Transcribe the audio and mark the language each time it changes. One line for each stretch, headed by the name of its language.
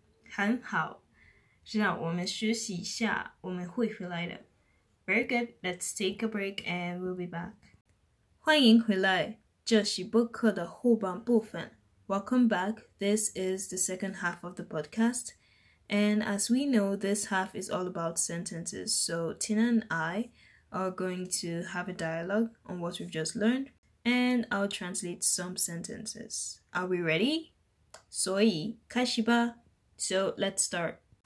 Chinese: 很好，让我们休息一下，我们会回来的。
English: Very good, let's take a break and we'll be back.
Chinese: 欢迎回来，这是播客的后半部分。
English: Welcome back, this is the second half of the podcast. And as we know, this half is all about sentences, so Tina and I... are going to have a dialogue on what we've just learned, and I'll translate some sentences. Are we ready?
Chinese: 所以开始吧。
English: So, let's start.